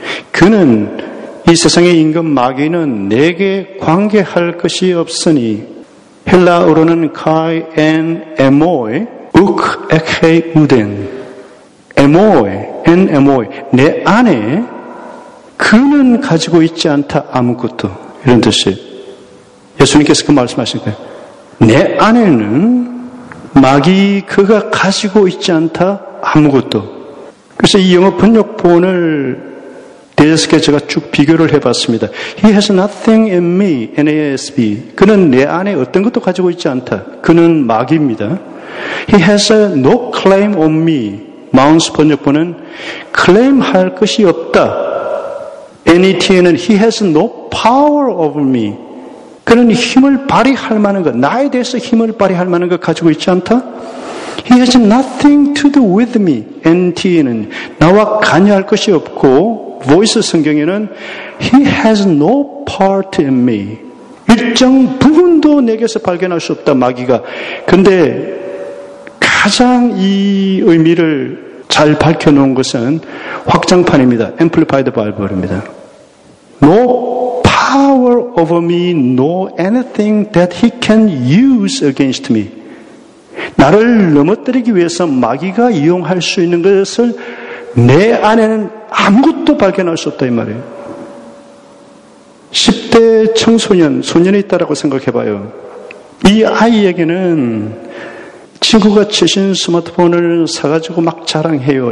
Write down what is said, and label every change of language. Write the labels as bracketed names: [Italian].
[Korean] 그는, 이 세상의 임금, 마귀는 내게 관계할 것이 없으니, 헬라어로는 [Greek] kai en emoi, uk ekhe uden, emoi, en emoi, [Korean] 내 안에, 그는 가지고 있지 않다 아무것도, 이런 뜻이에요. 예수님께서 그 말씀하신 거예요. 내 안에는 마귀 그가 가지고 있지 않다 아무것도. 그래서 이 영어 번역본을 대해서 제가 쭉 비교를 해봤습니다. [English] He has nothing in me, NASB. [Korean] 그는 내 안에 어떤 것도 가지고 있지 않다. 그는 마귀입니다. [English] He has no claim on me. [Korean] 마운스 번역본은 claim 할 것이 없다. [English] NET에는 He has no power over me. [Korean] 그는 힘을 발휘할 만한 것, 나에 대해서 힘을 발휘할 만한 것 가지고 있지 않다? [English] He has nothing to do with me. [Korean] NET에는 나와 관여할 것이 없고, Voice 성경에는 [English] He has no part in me. [Korean] 일정 부분도 내게서 발견할 수 없다, 마귀가. 근데 가장 이 의미를 잘 밝혀놓은 것은 확장판입니다. [English] Amplified Bible입니다. No power over me, no anything that he can use against me. [Korean] 나를 넘어뜨리기 위해서 마귀가 이용할 수 있는 것을 내 안에는 아무것도 발견할 수 없다, 이 말이에요. 10대 청소년, 소년이 있다라고 생각해봐요. 이 아이에게는 친구가 최신 스마트폰을 사가지고 막 자랑해요.